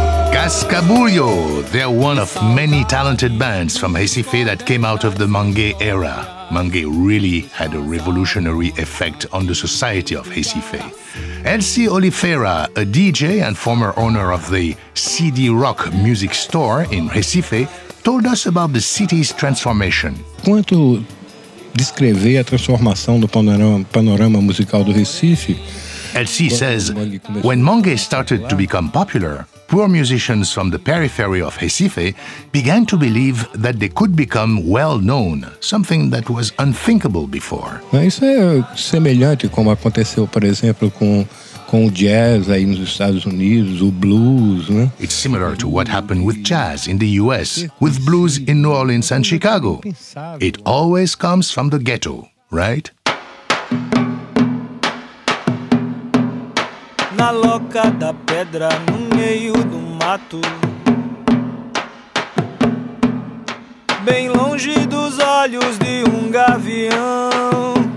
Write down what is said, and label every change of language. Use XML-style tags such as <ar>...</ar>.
<en>Cascabullo, they're one of many talented bands from Recife that came out of the Mangue era. Mangue really had a revolutionary effect on the society of Recife. Elsie Oliveira, a DJ and former owner of the CD Rock music store in Recife, told us about the city's transformation.</en> <pt>Quanto descrever a transformação do panorama musical do Recife?</pt> <en>Elsie says, when Mangue started to become popular, poor musicians from the periphery of Recife began to believe that they could become well known, something that was unthinkable before.</en> <pt>Isso é semelhante como aconteceu, por exemplo, com o jazz aí nos Estados Unidos, o blues, né?</pt> <en>It's similar to what happened with jazz in the US, with blues in New Orleans and Chicago. It always comes from the ghetto, right?</en> <pt>Na loca da pedra, no meio do mato, bem longe dos olhos de um gavião.</pt>